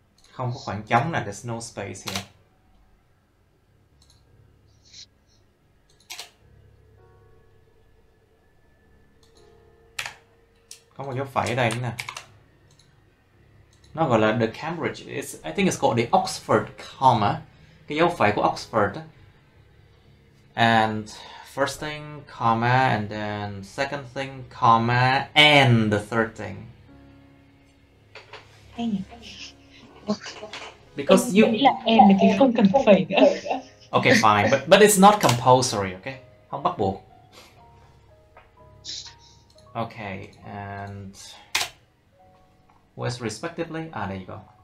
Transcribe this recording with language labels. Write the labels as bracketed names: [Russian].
[Vietnamese] Không có khoảng trống nè, [English] there's no space here. [Vietnamese] Có một dấu phẩy ở đây nữa nè. Nó gọi là [English] the Cambridge, it's, I think it's called the Oxford comma. [Vietnamese] Cái dấu phẩy của Oxford. [English] And first thing, comma, and then second thing, comma, and the third thing. Because [Vietnamese] em [English] you [Vietnamese] là em thì không cần phải nữa. [English] Okay, fine, but it's not compulsory, okay? [Vietnamese] Không bắt buộc. [English] Okay, and where's respectively? Ah, there you go.